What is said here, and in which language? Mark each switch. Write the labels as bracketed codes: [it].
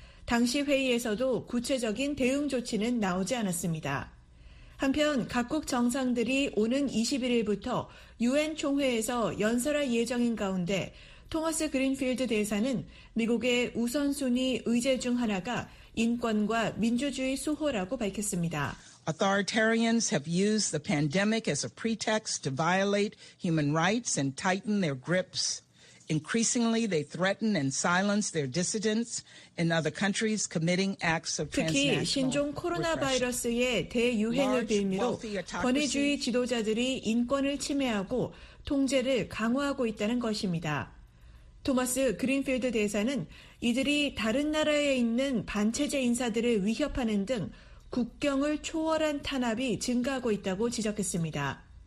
[ko] 당시 회의에서도 구체적인 대응 조치는 나오지 않았습니다. 한편 각국 정상들이 오는 21일부터 유엔 총회에서 연설할 예정인 가운데 토머스 그린필드 대사는 미국의 우선순위 의제 중 하나가 인권과 민주주의 수호라고 밝혔습니다. [en] Authoritarians have used the pandemic as a pretext to violate human rights and tighten their grips. Increasingly, they threaten and silence their dissidents in other countries, committing acts of transnational repression. [ko] 특히 신종 코로나 바이러스의 대유행을 빌미로 권위주의 지도자들이 인권을 침해하고 통제를 강화하고 있다는 것입니다. 토마스 그린필드 대사는 이들이 다른 나라에 있는 반체제 인사들을 위협하는 등 국경을 초월한 탄압이 증가하고 있다고 지적했습니다.